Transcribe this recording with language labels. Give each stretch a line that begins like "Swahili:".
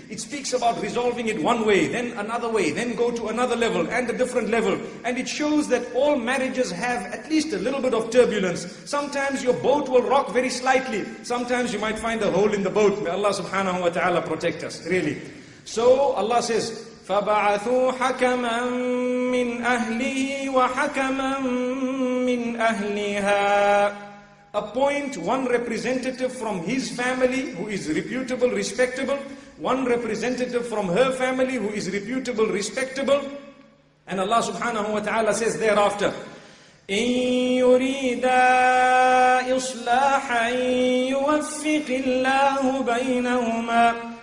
English: It speaks about resolving it one way, then another way, then go to another level and a different level. And it shows that all marriages have at least a little bit of turbulence. Sometimes your boat will rock very slightly. Sometimes you might find a hole in the boat. May Allah subhanahu wa ta'ala protect us, really. So Allah says,
Arabic: فَبَعَثُوا حَكَمًا مِّنْ أَهْلِهِ وَحَكَمًا مِّنْ أَهْلِهَا.
English: Appoint one representative from his family who is reputable, respectable. One representative from her family who is reputable, respectable. And Allah subhanahu wa ta'ala says thereafter,
Arabic: إِن يُرِيدَا إِصْلَاحًا يُوَفِّقِ اللَّهُ بَيْنَهُمَا.